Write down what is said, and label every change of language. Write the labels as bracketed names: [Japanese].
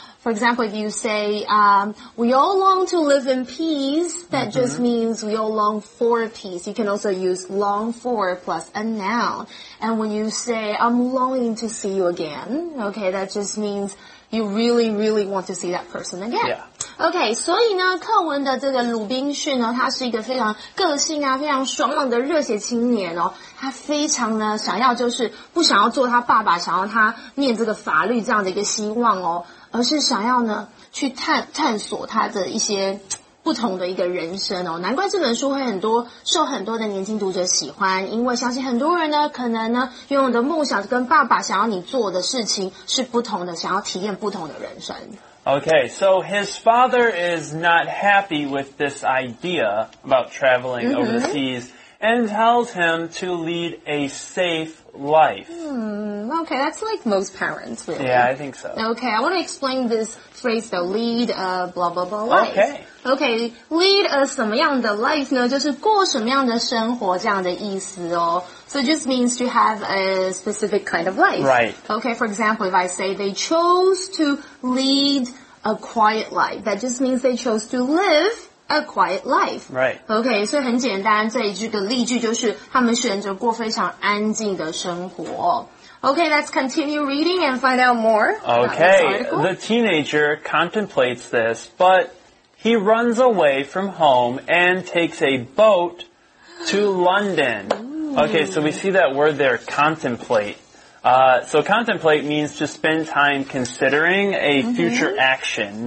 [English] For example, if you say, we all long to live in peace, that just means we all long for peace. You can also use long for plus a noun. And when you say, I'm longing to see you again, okay, that just means you really, really want to see that person again. Yeah. [Chinese] OK, 所以呢课文的这个鲁滨逊呢他是一个非常个性啊非常爽朗的热血青年哦他非常呢想要就是不想要做他爸爸想要他念这个法律这样的一个希望哦而是想要呢去探索他的一些不同的一个人生哦难怪这本书会很多受很多的年轻读者喜欢因为相信很多人呢可能呢拥有的梦想跟爸爸想要你做的事情是不同的想要体验不同的人生。 [English] Okay, so his father is not happy with this idea about traveling over the seas and tells him to lead a safe life. Okay, that's like most parents, really. Yeah, I think so. Okay, I want to explain this phrase, though, lead a blah blah blah life. Okay, [Chinese] lead a 什么样的 life 呢？就是过什么样的生活这样的意思哦。 [English] So it just means to have a specific kind of life. Right. Okay, for example, if I say they chose to lead a quiet life, that just means they chose to live a quiet life. Right. [Chinese] Okay, 所以很简单，这一句的例句就是他们选择过非常安静的生活。 [English] Okay, let's continue reading and find out more. Okay, the teenager contemplates this, but he runs away from home and takes a boat to London. Okay, so we see that word there, contemplate. So contemplate means to spend time considering a future action.